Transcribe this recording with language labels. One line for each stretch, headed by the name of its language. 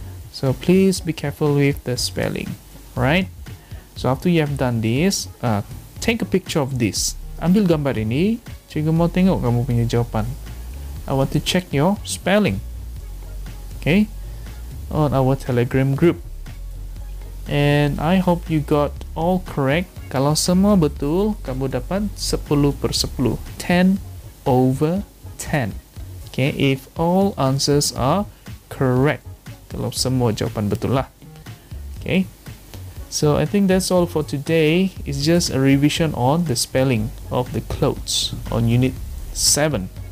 English: So please be careful with the spelling, right? So after you have done this, take a picture of this.
Malay: Ambil gambar ini, cikgu mau tengok kamu punya jawapan.
English: I want to check your spelling.
Malay: Okay?
English: On our Telegram group. And I hope you got all correct.
Malay: Kalau semua betul, kamu dapat 10 per 10.
English: 10 over 10. Okay, if all answers are correct.
Malay: Kalau semua jawapan betul lah.
English: Okay. So, I think that's all for today. It's just a revision on the spelling of the clothes on Unit 7.